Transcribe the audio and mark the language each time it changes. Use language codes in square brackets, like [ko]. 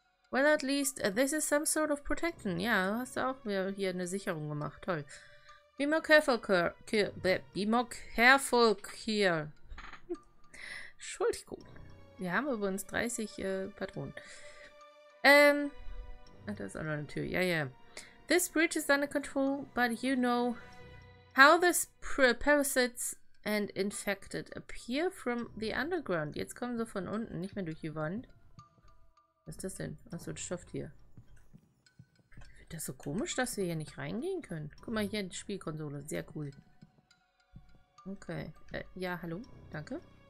[en] Well, at least this is some sort of protection. [de] Ja, hast du auch hier eine Sicherung gemacht. Toll. [en] Be more careful, here. [de] Entschuldigung. Wir haben übrigens 30 Patronen. Ach, da ist auch noch eine Tür. Ja, ja. [en] This bridge is under control, but you know how this parasites and infected appear from the underground. [de] Jetzt kommen sie von unten, nicht mehr durch die Wand. Was ist das denn? Achso, das Stoff hier. Ich finde das so komisch, dass wir hier nicht reingehen können. Guck mal hier, die Spielkonsole. Sehr cool. Okay. Ja, hallo. Danke.